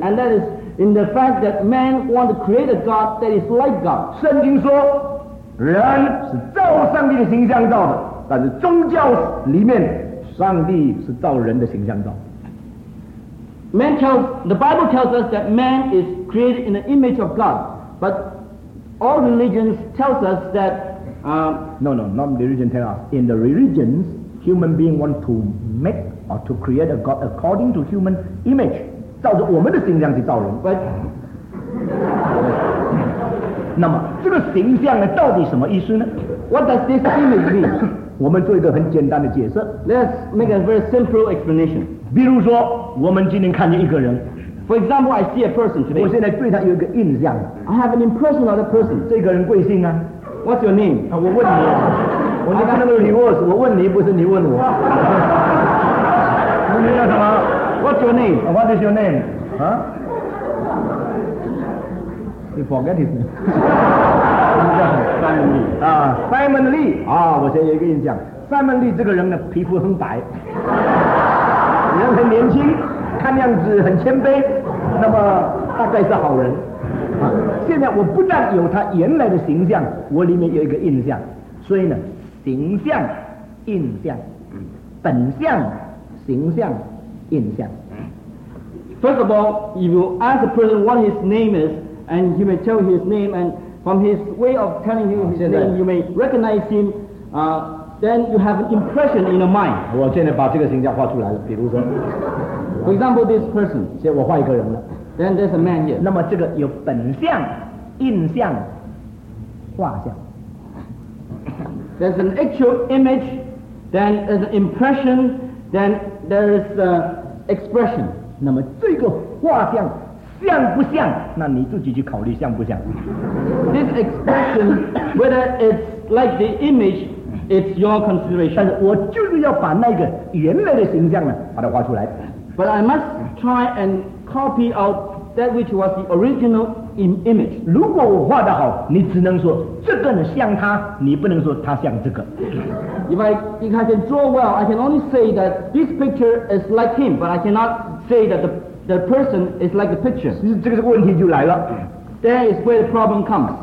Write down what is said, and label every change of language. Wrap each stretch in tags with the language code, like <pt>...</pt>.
<en>And that is in the fact that man want to create a God that is like God.</en> <zh>圣经说，人是照上帝的形象造的，但是宗教里面。上帝是造人的形象造。</zh> <en>The Bible tells us that man is created in the image of God, but all religions tells us that. No, not religion tells us. In the religions, human being want to make or to create a God according to human image,</en> <zh>照着我们的形象去造人。</zh> <en>But,</en> <zh>那么这个形象呢，到底什么意思呢？</zh> <en>What does this image mean?</en> <zh>我们做一个很简单的解释。</zh> <en>Let's make a very simple explanation.</en> <zh>比如说，我们今天看见一个人。</zh> <en>For example, I see a person today.</en> <zh>我现在对他有一个印象。</zh> <en>I have an impression of that person.</en> <zh>这个人贵姓啊？</zh> <en>What's your name?</en> <zh>啊，我问你，我就看那个 reverse， 我问你，不是你问我。你叫什么？</zh> <en>What's your name?、 Oh, what is your name? Huh? You forget his name. Simon Lee.</en> <zh>Simon Lee. 啊，我现在有一个印象。 Simon Lee 这个人呢，皮肤很白，人很年轻，看样子很谦卑，那么大概是好人。现在我不但有他原来的形象，我里面有一个印象，所以呢，形象、印象、本相、形象、印象。</zh> <en>First of all, if you ask a person what his name is, and you may tell his name, and from his way of telling you his name, you may recognize him. Then you have an impression in your mind.</en> <zh>我现在把这个形象画出来了，比如说</zh> <en>，For example, this person.</en> <zh>现在我画一个人了。</zh> <en>Then there's a man here.</en> <zh>那么这个有本相、印象、画像。</zh> <en>There's an actual image, then there's an impression, then there's an expression.</en> <zh>那么这个画像像不像？那你自己去考虑像不像。</zh> <en>This expression, whether it's like the image, it's your consideration.</en> <zh>但是我就是要把那个原来的形象呢，把它画出来。</zh> <en>But I must try and copy out that which was the original image.</en> <zh>如果我画得好，你只能说这个呢像他，你不能说他像这个。</zh> <en>If I can draw well, I can only say that this picture is like him, but I cannot say that the person is like the picture.</en> <zh>这个问题就来了。</zh> <en>There is where the problem comes.</en>